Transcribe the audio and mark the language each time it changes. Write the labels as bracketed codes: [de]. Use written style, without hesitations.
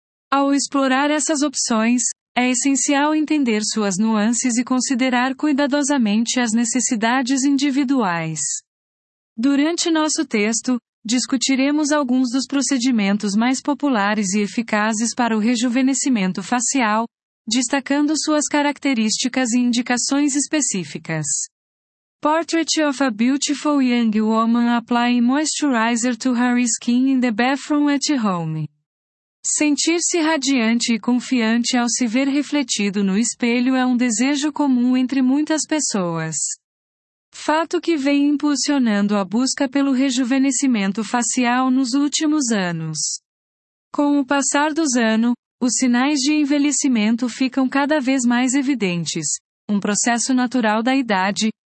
[pt] Ao explorar essas opções, é essencial entender suas nuances e considerar cuidadosamente as necessidades individuais. Durante nosso texto, discutiremos alguns dos procedimentos mais populares e eficazes para o rejuvenescimento facial, destacando suas características e indicações específicas. [en] Portrait of a Beautiful Young Woman Applying Moisturizer to Her Skin in the Bathroom at Home. [pt] Sentir-se radiante e confiante ao se ver refletido no espelho é um desejo comum entre muitas pessoas. Fato que vem impulsionando a busca pelo rejuvenescimento facial nos últimos anos. Com o passar dos anos, os sinais de envelhecimento ficam cada vez mais evidentes, um processo natural da idade.